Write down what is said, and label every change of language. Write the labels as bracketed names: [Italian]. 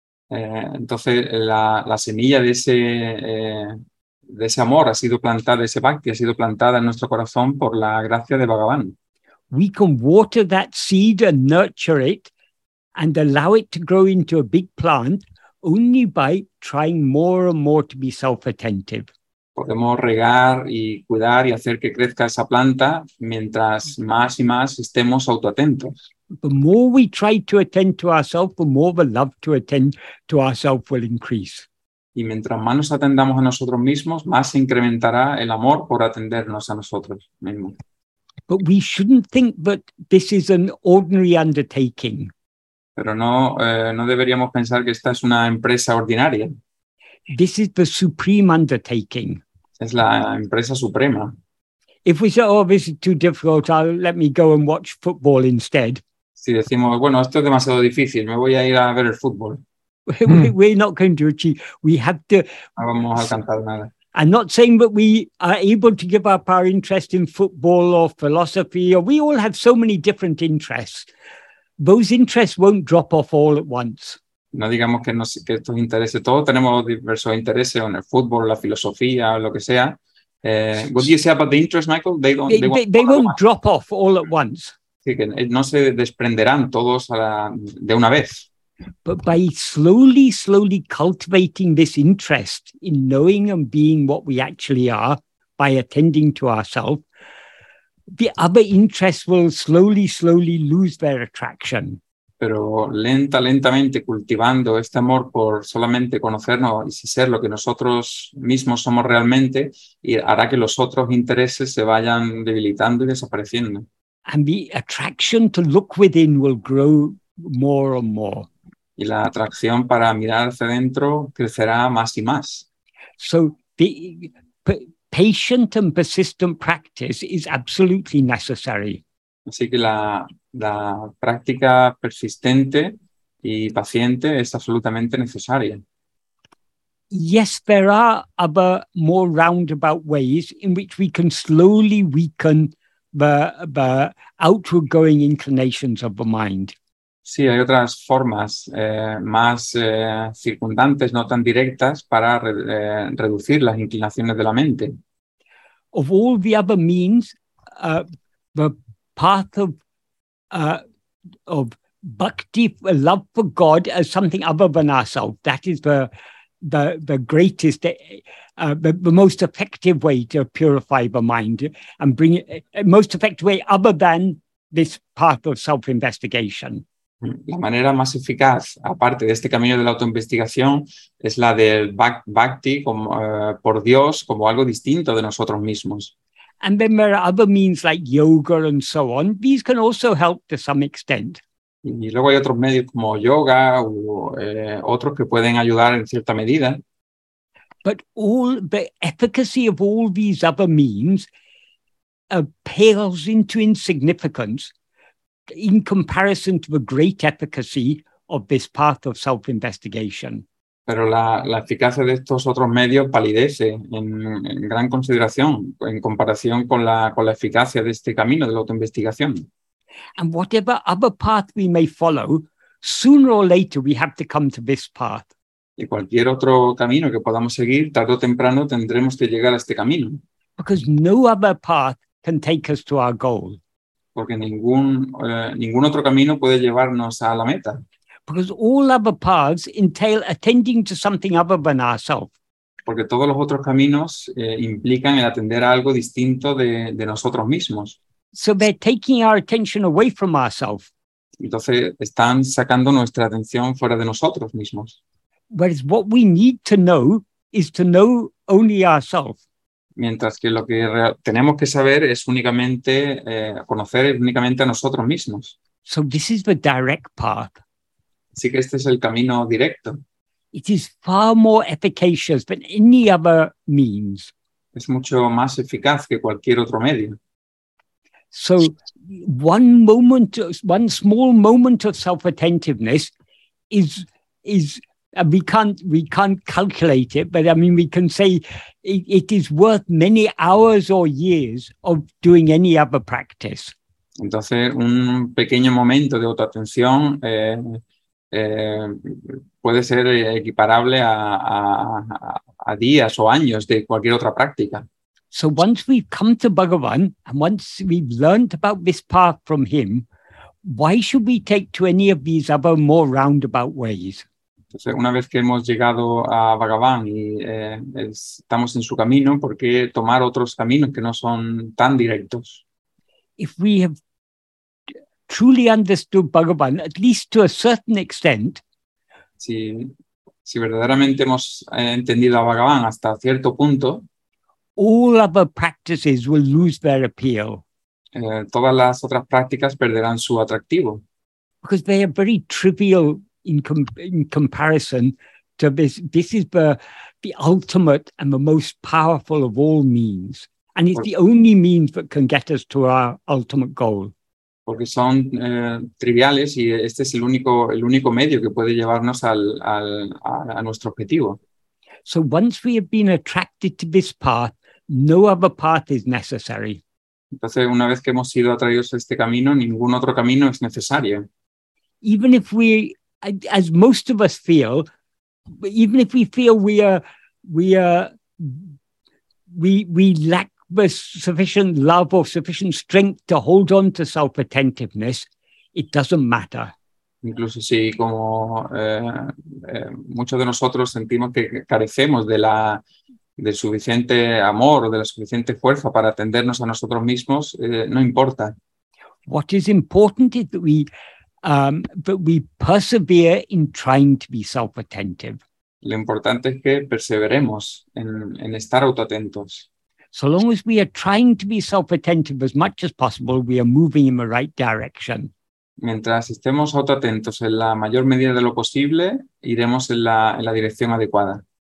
[Spanish] Entonces la semilla de ese amor ha sido plantada, ese bhakti ha sido plantada en nuestro corazón por la gracia de Bhagavan. [English] We can water that seed and nurture it and allow it to grow into a big plant only by trying more and more to be self-attentive. [Spanish] Podemos regar y cuidar y hacer que crezca esa planta mientras más y más estemos autoatentos. [English] The more we try to attend to ourselves, the more the love to attend to ourselves will increase. [Spanish] Y mientras más nos atendamos a nosotros mismos, más se incrementará el amor por atendernos a nosotros mismos. [English] But we shouldn't think that this is an ordinary undertaking. [Spanish] Pero no deberíamos pensar que esta es una empresa ordinaria. [English] This is the supreme undertaking. [Spanish] Es la empresa suprema. [English] If we say, oh, this is too difficult, let me go and watch football instead. [Spanish] Si decimos, bueno, esto es demasiado difícil, me voy a ir a ver el fútbol. [English] We're not going to achieve. We have to. [Spanish] No vamos a alcanzar nada. [English] I'm not saying that we are able to give up our interest in football or philosophy, or we all have so many different interests. Those interests won't drop off all at once. [Spanish] No digamos que estos intereses, todos tenemos diversos intereses en el fútbol, la filosofía, lo que sea. [English] What do you say about the interests, Michael? They won't drop off all at once. [Spanish] Sí, que no se desprenderán todos de una vez. [English] But by slowly, slowly cultivating this interest in knowing and being what we actually are, by attending to ourselves, the other interests will slowly, slowly lose their attraction. [Spanish] Pero lentamente cultivando este amor por solamente conocernos y ser lo que nosotros mismos somos realmente, y hará que los otros intereses se vayan debilitando y desapareciendo. [English] And the attraction to look within will grow more and more. [Spanish] Y la atracción para mirar hacia adentro crecerá más y más. [English] So the patient and persistent practice is absolutely necessary. [Spanish] Así que la práctica persistente y paciente es absolutamente necesaria. [English] Yes, there are other more roundabout ways in which we can slowly weaken the outward going inclinations of the mind. [Spanish] Sí, hay otras formas más circundantes, no tan directas, para reducir las inclinaciones de la mente. [English] Of all the other means, the path of bhakti, love for God as something other than ourselves, that is the greatest, the most effective way to purify the mind and bring it, most effective way other than this path of self-investigation. [Spanish] La manera más eficaz, aparte de este camino de la autoinvestigación, es la del bhakti por Dios como algo distinto de nosotros mismos. [English] And then there are other means like yoga and so on. These can also help to some extent. [Spanish] Y luego hay otros medios como yoga o otros que pueden ayudar en cierta medida. [English] But all the efficacy of all these other means pales into insignificance in comparison to the great efficacy of this path of self-investigation. [Spanish] Pero la eficacia de estos otros medios palidece en gran consideración en comparación con la eficacia de este camino de la autoinvestigación. [English] And whatever other path we may follow, sooner or later we have to come to this path. [Spanish] Y cualquier otro camino que podamos seguir, tarde o temprano tendremos que llegar a este camino. [English] Because no other path can take us to our goal. [Spanish] Porque ningún otro camino puede llevarnos a la meta. [English] Because all other paths entail attending to something other than ourselves. [Spanish] Porque todos los otros caminos implican el atender a algo distinto de nosotros mismos. [English] So they're taking our attention away from ourselves. [Spanish] Entonces están sacando nuestra atención fuera de nosotros mismos. [English] Whereas what we need to know is to know only ourselves. [Spanish] Mientras que lo que tenemos que saber es únicamente conocer únicamente a nosotros mismos. [English] So this is the direct path. [Spanish] Así que este es el camino directo. [English] It is far more efficacious than any other means. [Spanish] Es mucho más eficaz que cualquier otro medio. [English] So, one small moment of self-attentiveness is we can't calculate it, but I mean we can say it is worth many hours or years of doing any other practice. [Spanish] Entonces, un pequeño momento de autoatención puede ser equiparable a días o años de cualquier otra práctica. [English] So once we've come to Bhagavan and once we've learned about this path from him, why should we take to any of these other more roundabout ways? [Spanish] Entonces, una vez que hemos llegado a Bhagavan y estamos en su camino, ¿por qué tomar otros caminos que no son tan directos? [English] If we have truly understood Bhagavan, at least to a certain extent, [Spanish] si verdaderamente hemos entendido a Bhagavan hasta cierto punto, [English] all other practices will lose their appeal. [Spanish] Todas las otras prácticas perderán su atractivo. [English] Because they are very trivial in comparison to this. This is the ultimate and the most powerful of all means. And it's the only means that can get us to our ultimate goal. [Spanish] Porque son triviales y este es el único medio que puede llevarnos a nuestro objetivo. [English] So once we have been attracted to this path, no other path is necessary. [Spanish] Entonces, una vez que hemos sido atraídos a este camino, ningún otro camino es necesario. [English] Even if we, as most of us feel, even if we feel we lack the sufficient love or sufficient strength to hold on to self-attentiveness, it doesn't matter. [Spanish] Incluso si como muchos de nosotros sentimos que carecemos de la del suficiente amor o de la suficiente fuerza para atendernos a nosotros mismos, no importa. [English] What is important is that we persevere in trying to be self-attentive. [Spanish] Lo importante es que perseveremos en estar autoatentos. [English] So long as we are trying to be self-attentive as much as possible, we are moving in the right direction. [Spanish] Mientras estemos autoatentos en la mayor medida de lo posible, iremos en la dirección adecuada.